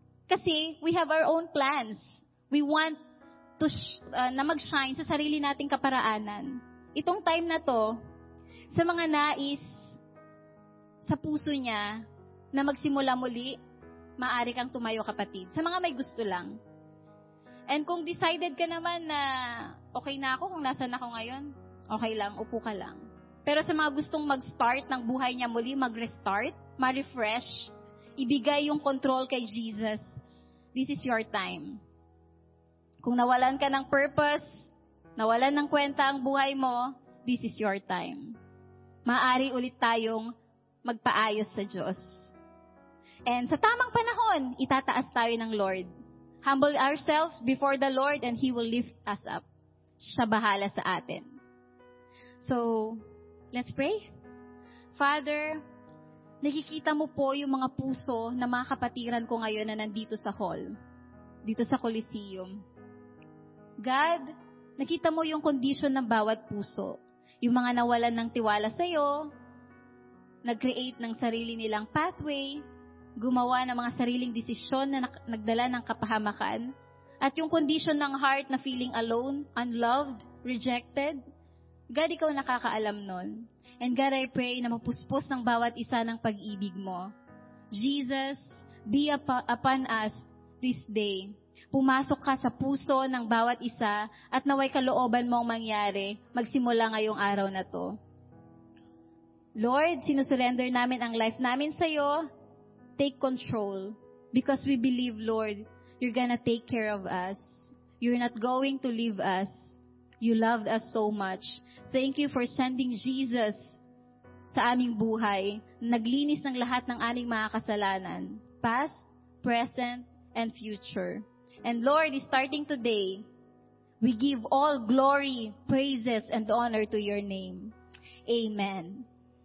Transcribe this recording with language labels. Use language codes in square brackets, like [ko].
[en] Kasi, we have our own plans. We want to [tl] na mag-shine sa sarili nating kaparaanan. Itong time na to, sa mga nais sa puso niya na magsimula muli, maaari kang tumayo, kapatid. Sa mga may gusto lang. And kung decided ka naman na okay na ako kung nasan ako ngayon, okay lang, upo ka lang. Pero sa mga gustong mag-start ng buhay niya muli, mag-restart, ma-refresh, ibigay yung control kay Jesus, [en] this is your time. [tl] Kung nawalan ka ng purpose, nawalan ng kwenta ang buhay mo, [en] this is your time. [tl] Maari ulit tayong magpaayos sa Diyos. And sa tamang panahon, itataas tayo ng Lord. [en] Humble ourselves before the Lord and He will lift us up. [tl] Siya bahala sa atin. [en] So, let's pray. [tl] Father, nakikita mo po yung mga puso na mga kapatiran ko ngayon na nandito sa hall, dito sa Coliseum. God, nakita mo yung condition ng bawat puso. Yung mga nawalan ng tiwala sa'yo, nag-create ng sarili nilang pathway, gumawa ng mga sariling desisyon na nagdala ng kapahamakan, at yung condition ng heart na [en] feeling alone, unloved, rejected, [tl] God, ikaw nakakaalam nun. [en] And God, I pray [tl] na mapuspos ng bawat isa ng pag-ibig mo. [en] Jesus, be upon us this day. [tl] Pumasok ka sa puso ng bawat isa at naway kalooban mong mangyari magsimula ngayong araw na to. Lord, sinusurrender namin ang life namin sa'yo. [en] Take control because we believe, Lord, you're gonna take care of us. You're not going to leave us. You loved us so much. Thank you for sending Jesus [tl] sa aming buhay. Naglinis ng lahat ng aming mga kasalanan. [en] Past, present, and future. And Lord, starting today, we give all glory, praises, and honor to your name. Amen.